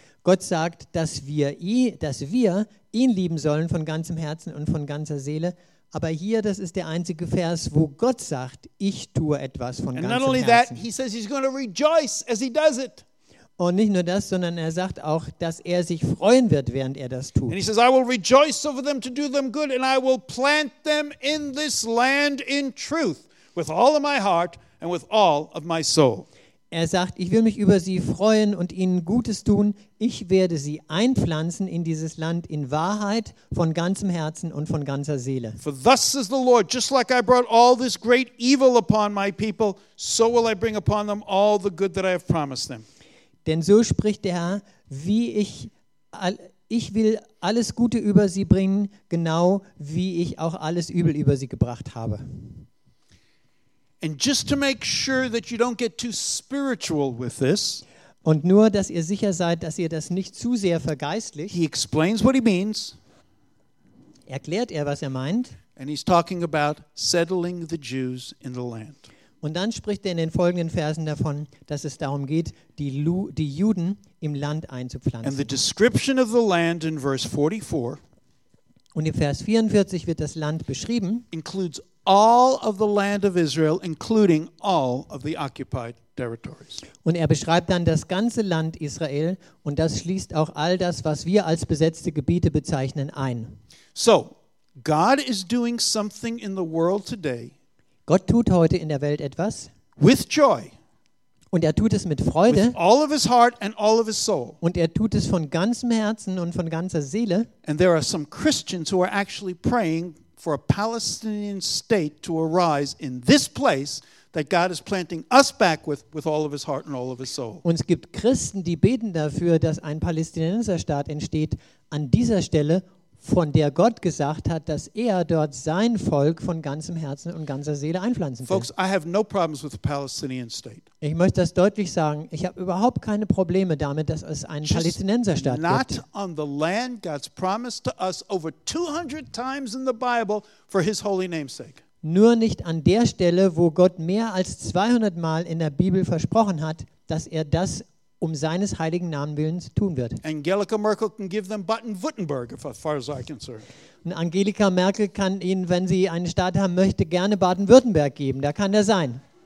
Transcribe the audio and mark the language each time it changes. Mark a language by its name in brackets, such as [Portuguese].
[German] Gott sagt, dass wir ihn lieben sollen von ganzem Herzen und von ganzer Seele. Aber hier, das ist der einzige Vers, wo Gott sagt, ich tue etwas von ganzem Herzen. [English] And not only that, he says he's going to rejoice as he does it. [German] Und nicht nur das, sondern er sagt auch, dass er sich freuen wird, während er das tut. [English] And he says, I will rejoice over them to do them good, and I will plant them in this land in truth with all of my heart and with all of my soul. [German] Er sagt, ich will mich über sie freuen und ihnen Gutes tun. Ich werde sie einpflanzen in dieses Land in Wahrheit, von ganzem Herzen und von ganzer Seele. [English] For thus says the Lord, just like I brought all this great evil upon my people, so will I bring upon them all the good that I have promised them. [German] Denn so spricht der Herr, wie ich will alles Gute über sie bringen, genau wie ich auch alles Übel über sie gebracht habe. [English] And just to make sure that you don't get too spiritual with this, [German] und nur, dass ihr sicher seid, dass ihr das nicht zu sehr vergeistlicht, [English] he explains what he means. [German] Erklärt er, was er meint. [English] And he's talking about settling the Jews in the land. [German] Und dann spricht er in den folgenden Versen davon, dass es darum geht, die Juden im Land einzupflanzen. [English] And the description of the land in verse 44, [German] und im Vers 44 wird das Land beschrieben, [English] includes all of the land of Israel, including all of the occupied territories. [German] Und er beschreibt dann das ganze Land Israel, und das schließt auch all das, was wir als besetzte Gebiete bezeichnen, ein. [English] So, God is doing something in the world today. [German] Gott tut heute in der Welt etwas. [English] With joy. [German] Und er tut es mit Freude. [English] With all of his heart and all of his soul. [German] Und er tut es von ganzem Herzen und von ganzer Seele. [English] And there are some Christians who are actually praying for a Palestinian state to arise in this place that God is planting us back with all of his heart and all of his soul. [German] Uns gibt Christen, die beten dafür, dass ein palästinensischer Staat entsteht an dieser Stelle, von der Gott gesagt hat, dass er dort sein Volk von ganzem Herzen und ganzer Seele einpflanzen will. [English] Folks, I have no problems with the Palestinian state. [German] Ich möchte das deutlich sagen, ich habe überhaupt keine Probleme damit, dass es einen Palästinenserstaat gibt. [English] Not on the land God's promised to us over 200 times in the Bible for his holy name's sake. [German] Nur nicht an der Stelle, wo Gott mehr als 200 Mal in der Bibel versprochen hat, dass er das um seines heiligen Namen willens tun wird. [English] Angela Merkel can give them Baden-Württemberg, as far as I'm concerned. [German] Angela Merkel kann ihnen, wenn sie einen Staat haben möchte, gerne Baden-Württemberg geben. Da kann er sein.